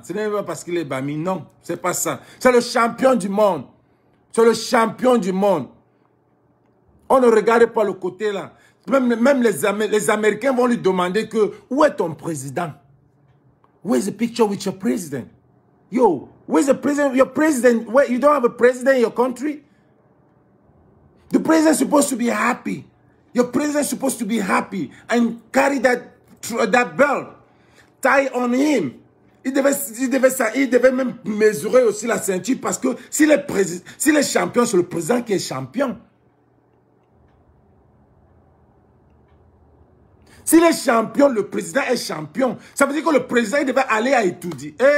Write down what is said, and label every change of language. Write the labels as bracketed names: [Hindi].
[French] Ce n'est même pas parce qu'il est Bami. Non, c'est pas ça. C'est le champion du monde. C'est le champion du monde. On ne regarde pas le côté là. Même les Américains vont lui demander que où est ton président? [English] Where's the picture with your president? Yo, where's the president? Your president, where, you don't have a president in your country? The president is supposed to be happy. Your president is supposed to be happy and carry that belt. Tie on him. [French] Il devait même mesurer aussi la ceinture parce que si le champion, c'est le président qui est champion. S'il est champion, le président est champion. Ça veut dire que le président, il devait aller à étudier.